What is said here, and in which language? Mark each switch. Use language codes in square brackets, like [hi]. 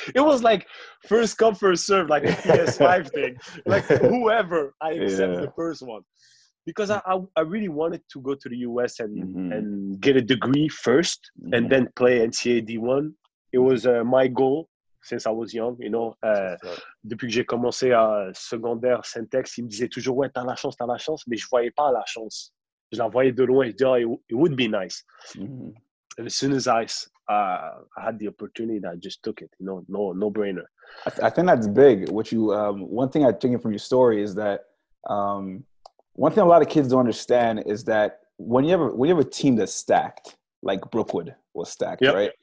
[en] It was like first come, first serve, like a PS5 thing. Like whoever, I accept the first one. Because I really wanted to go to the U.S. and and get a degree first and then play NCAA D1. It was my goal since I was young, you know. [fr] Depuis que j'ai commencé à secondaire Saint-Ex, ils me disaient toujours, ouais, t'as la chance, mais je voyais pas la chance. Je la voyais de loin, je disais, [en] oh, it would be nice. And as soon as I had the opportunity, I just took it, you know, no-brainer. I think that's big. One thing I've taken from your story is that one thing a lot of kids don't understand is that when you have a team that's stacked, like Brookwood was stacked, yep, right?